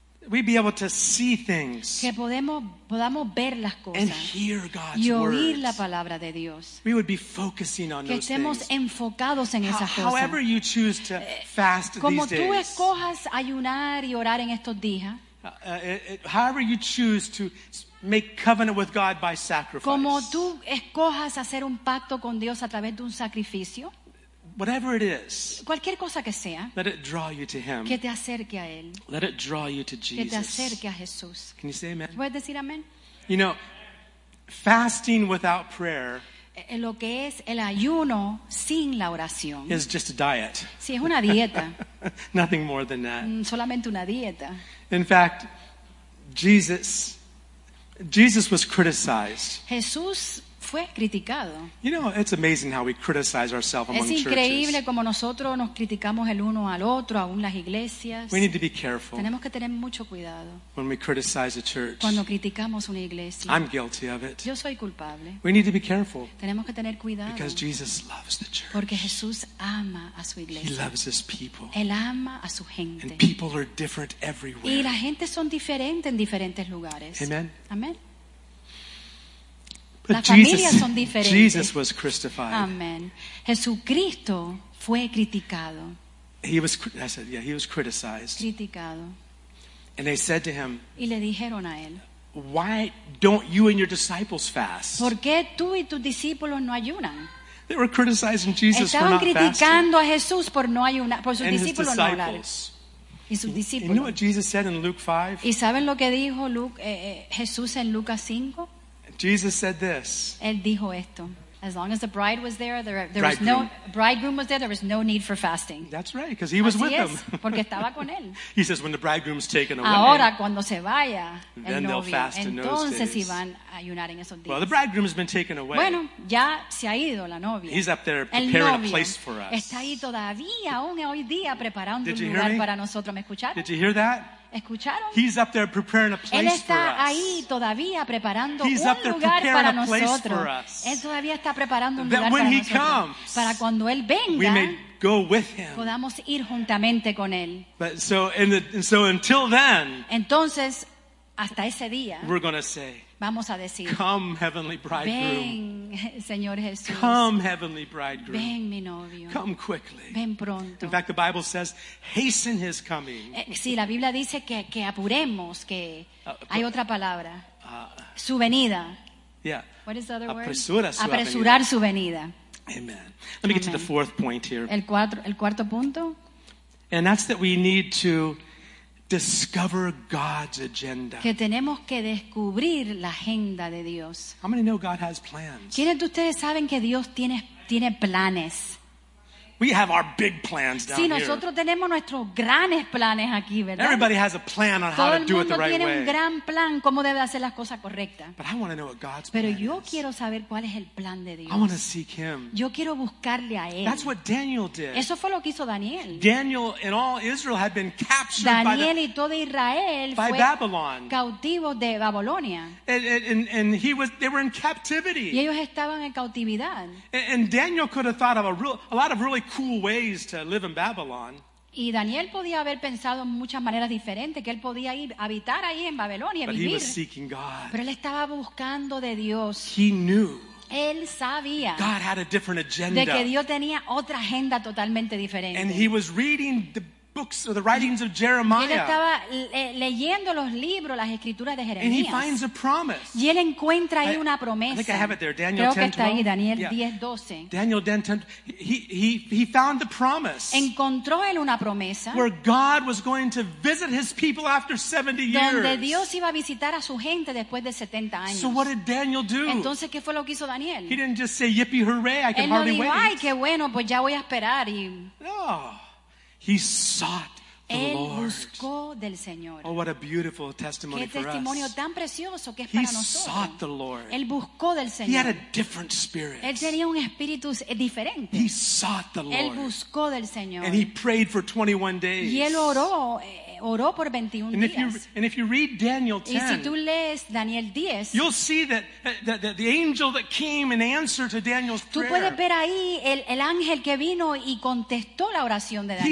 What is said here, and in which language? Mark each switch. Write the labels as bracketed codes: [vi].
[en] We be able to see things. [es] Que podamos ver las cosas. [en] And hear God's words. [es] Y oír [en] words. [es] La palabra de Dios. [en] We would be focusing on [es] que [en] those things. [es] Que estemos enfocados en esas cosas. [en] However you choose to fast [es] como [en] these days. [es] Como tú escojas ayunar y orar en estos días. [en] However you choose to make covenant with God by sacrifice. [es] Como tú escojas hacer un pacto con Dios a través de un sacrificio. [en] Whatever it is, [es] cualquier cosa que sea, [en] let it draw you to Him. [es] Que te acerque a Él. [en] Let it draw you to Jesus. [es] Que te acerque a Jesús. [en] Can you say amen? [es] ¿Puedes decir amén? [en] You know, fasting without prayer. [es] Lo que es el ayuno sin la oración. [en] Is just a diet. [es] Sí, es una dieta. [en] Nothing more than that. [es] Solamente una dieta. [en] In fact, Jesus was criticized. [es] Jesús fue criticado. [en] You know, it's amazing how we criticize ourselves among [es] es increíble [en] churches. [es] Como nosotros nos criticamos el uno al otro, aún las iglesias. [en] We need to be careful. [es] Tenemos que tener mucho cuidado. [en] When we criticize a church. [es] Cuando criticamos una iglesia. [en] I'm guilty of it. [es] Yo soy culpable. [en] We need to be careful. [es] Tenemos que tener cuidado. [en] Because Jesus loves the church. [es] Porque Jesús ama a su iglesia. [en] He loves his people. [es] Él ama a su gente. [en] And people are different everywhere. [es] Y la gente son diferentes en diferentes lugares. [en] Amen. [es] Amén. Las familias son diferentes. [en] Jesus was crucified. [es] Amen. Jesucristo fue criticado. [en] He was criticized. [es] Criticado. [en] And they said to him. [es] Y le dijeron a él. [en] Why don't you and your disciples fast? [es] ¿Por qué tú y tus discípulos no ayunan? [en] They were criticizing Jesus [es] estaban [en] for not [es] criticando [en] fasting. [es] A Jesús por no ayunar, por sus [en] and [es] discípulos [en] his disciples. [es] No hablar. Y sus discípulos. [en] You know what Jesus said in Luke 5? [es] ¿Y saben lo que dijo Jesús en Lucas 5? [en] Jesus said this. [es] Él dijo esto. [en] As long as the bride was there, there was no bridegroom was there. There was no need for fasting. That's right, because he was with them. [es] Porque estaba con él. [en] He says, when the bridegroom's taken away. [es] Ahora cuando se vaya. [en] Then they'll fast in those days. [es] Entonces iban a ayunar en esos días. [en] Well, the bridegroom has been taken away. [es] Bueno, ya se ha ido la novia. [en] He's up there preparing a place for us. [es] Está ahí todavía aún hoy día preparando un lugar para nosotros. ¿Me escucharon? [en] Did you hear that? [es] ¿Escucharon? [en] He's up there preparing a place [es] él está [en] for us. [es] Ahí todavía preparando [en] he's [es] un [en] up there [es] lugar [en] preparing [es] para [en] a [es] nosotros. [en] Place for us. [es] Él todavía está preparando un [en] that [es] lugar [en] when [es] para [en] he [es] nosotros. [en] Comes, [es] para cuando él venga, [en] we may go with him. [es] Podamos ir juntamente con él. [en] But so, and so until then, [es] entonces, hasta ese día, [en] we're going to say, [es] Vamos a decir, [en] come, heavenly bridegroom. [es] Ven, Señor Jesús. [en] Come, heavenly bridegroom. [es] Ven, mi novio. [en] Come quickly. [es] Ven pronto. [en] In fact, the Bible says, hasten his coming. [es] Sí, la Biblia dice que apuremos, que hay otra palabra. Su venida. [en] Yeah. What is the other [es] apresura [en] word? [es] Apresurar su venida. [en] Amen. Let me get to the fourth point here. [es] El cuarto punto. [en] And that's that we need to discover God's agenda. [es] Que tenemos que descubrir la agenda de Dios. [en] How many know God has plans? [es] ¿Quiénes de ustedes saben que Dios tiene planes? [en] We have our big plans down here. [es] Sí, nosotros tenemos nuestros grandes planes aquí, ¿verdad? [en] Everybody has a plan on how to do it the right way. [es] Todo el mundo tiene un gran plan cómo debe hacer las cosas correctas. [en] But I want to know what God's plan. [es] Pero yo quiero saber cuál es el plan de Dios. [en] I want to seek Him. [es] Yo quiero buscarle a Él. [en] That's what Daniel did. [es] Eso fue lo que hizo Daniel. [en] Daniel and all Israel had been captured [es] Daniel y todo Israel [en] by Babylon. [es] Cautivos de Babilonia. [en] And he was, they were in captivity. [es] Y ellos estaban en cautividad. [en] And Daniel could have thought of a lot of really cool ways to live in Babylon. [es] Y Daniel podía haber pensado en muchas maneras diferentes que él podía ir habitar ahí en Babilonia y vivir. [en] But he was seeking God. [es] Pero él estaba buscando de Dios. [en] He knew. [es] Él sabía. [en] God had a different agenda. [es] De que Dios tenía otra agenda totalmente diferente. [en] And he was reading the books or the writings of Jeremiah. [es] Él estaba leyendo los libros, las escrituras de Jeremías. [en] And he finds a promise. [es] Y él encuentra ahí una promesa. [en] I think I have it there. Daniel 10:12. [es] Creo que está ahí, Daniel 10:12. [en] Daniel 10:10. He found the promise. [es] Encontró él una promesa. [en] Where God was going to visit his people after 70 years. [es] Donde Dios iba a visitar a su gente después de 70 años. [en] So what did Daniel do? [es] Entonces, ¿qué fue lo que hizo Daniel? [en] He didn't just say, yippee, hooray, I can hardly wait. [es] Él no dijo, ay, qué bueno, pues ya voy a esperar. Y... [en] No. He sought the [es] Él [en] Lord. [es] Buscó del Señor. [en] Oh, what a beautiful testimony [es] qué testimonio [en] for us. [es] Tan precioso que es [en] he [es] para nosotros. [en] Sought the Lord. [es] Él buscó del Señor. [en] He had a different spirit. [es] Él tenía un espíritu diferente. [en] He sought the Lord. [es] Él buscó del Señor. [en] And he prayed for 21 days. [es] Y él oró por 21 [en] and [es] días. [en] If you read Daniel 10, [es] y si tú lees Daniel 10, [en] you'll see that the angel that came in answer to Daniel's prayer. [es] Tú puedes ver ahí el ángel que vino y contestó la oración de Daniel.